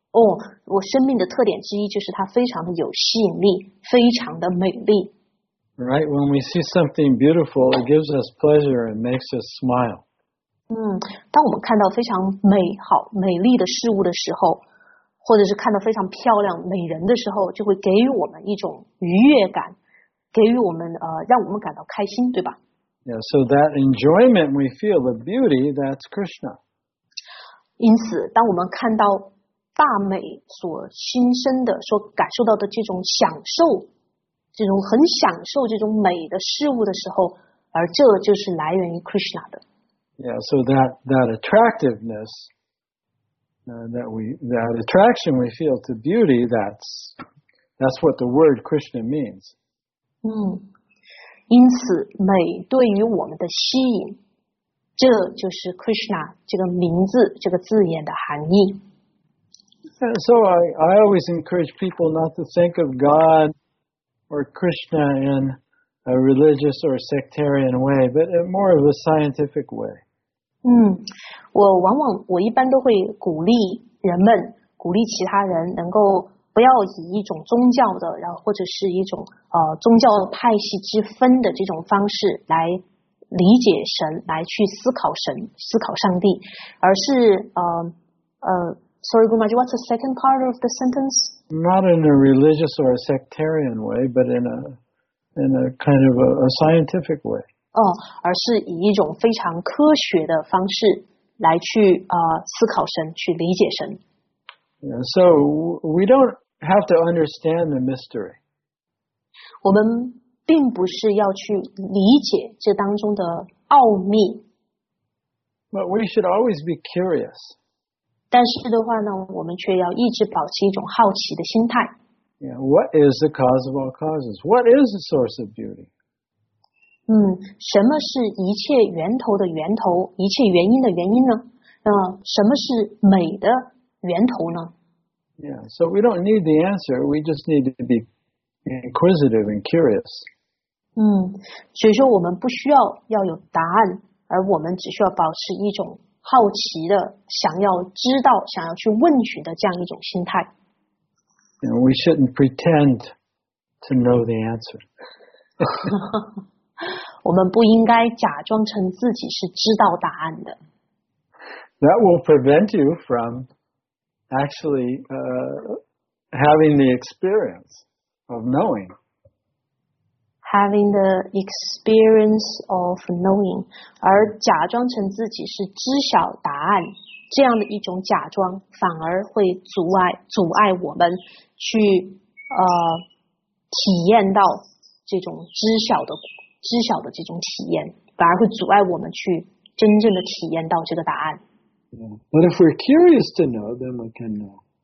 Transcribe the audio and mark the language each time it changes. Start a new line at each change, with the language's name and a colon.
Chinese: 我生命的特点之一就是它非常的有吸引力，非常的美丽。
English: Right, when we see something beautiful, it gives us pleasure and makes us smile.
Chinese: 当我们看到非常美好、美丽的事物的时候，或者是看到非常漂亮、美人的时候，就会给予我们一种愉悦感，给予我们让我们感到开心，对吧？
English: Yeah, so that enjoyment we feel, the beauty, that's Krishna.
Chinese: 因此，当我们看到大美所心生的、所感受到的这种享受，这种很享受这种美的事物的时候，而这就是来源于 Krishna 的。
English: Yeah, so that attractiveness, that attraction we feel to beauty, that's what the word Krishna means.
Chinese: 因此美对于我们的吸引，这就是 Krishna 这个名字这个字眼的含义。
English: So I always encourage people not to think of God or Krishna in a religious or sectarian way, but in more of a scientific way.
Chinese: 我一般都会鼓励人们，鼓励其他人能够不要以一种宗教的，然后或者是一种宗教派系之分的这种方式来理解神，来去思考神，思考上帝，而是
English: sorry, Guru Maharaj, what's the second part of the sentence? Not in a religious or a sectarian way, but in a kind of a scientific way.
Chinese: 而是以一种非常科学的方式来去思考神，去理解神。
English: Yeah, so we don't have to understand the mystery.
Chinese: 我们并不是要去理解这当中的奥秘。
English: But we should always be curious.
Chinese: 但是的话呢，我们却要一直保持一种好奇的心态。
English: Yeah, what is the cause of all causes? What is the source of beauty?
Chinese: 什么是一切源头的源头，一切原因的原因呢？什么是美的源头呢？
English: Yeah, so we don't need the answer, we just need to be inquisitive and curious.
Chinese: 所以说我们不需要要有答案，而我们只需要保持一种好奇的，想要知道，想要去问询的这样一种心态。
English: And we shouldn't pretend to know the answer.
Chinese: 我们不应该假装成自己是知道答案的。
English: That will prevent you from actually having the experience of knowing. Having the experience of knowing.
Chinese: 而假装成自己是知晓答案，这样的一种假装反而会阻碍我们去体验到这种知晓的这种体验，反而会阻碍我们去真正的体验到这个答案。
English: But if we're curious to know, then we can know.